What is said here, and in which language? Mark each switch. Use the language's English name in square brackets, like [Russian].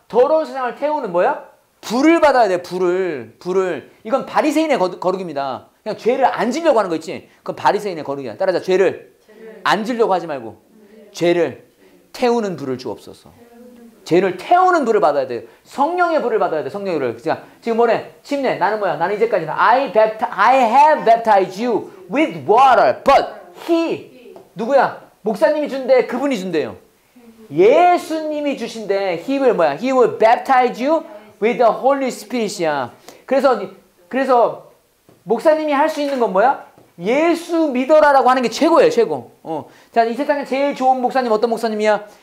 [Korean] 더러운 세상을 태우는 뭐야? 불을 받아야 돼. 불을. 이건 바리새인의 거룩입니다. 그냥 죄를 안 지려고 하는 거 있지? 그건 바리새인의 거룩이야. 따라하자. 죄를 안 지려고 하지 말고 죄를 태우는 불을 주옵소서. 죄를 태우는 불을 받아야 돼. 성령의 불을 받아야 돼. 성령의 불을. 그러니까 지금 뭐래? 침례. 나는 뭐야? 나는 이제까지는 [English] I have baptized you with water. But he [Korean] 누구야? 목사님이 준대. 그분이 준대요. 예수님이 주신데 [English] he will 뭐야? he will baptize you with the holy spirit이야. [Korean] 그래서 목사님이 할 수 있는 건 뭐야? 예수 믿어라라고 하는 게 최고예요, 최고. 자, 이 세상에 제일 좋은 목사님 어떤 목사님이야?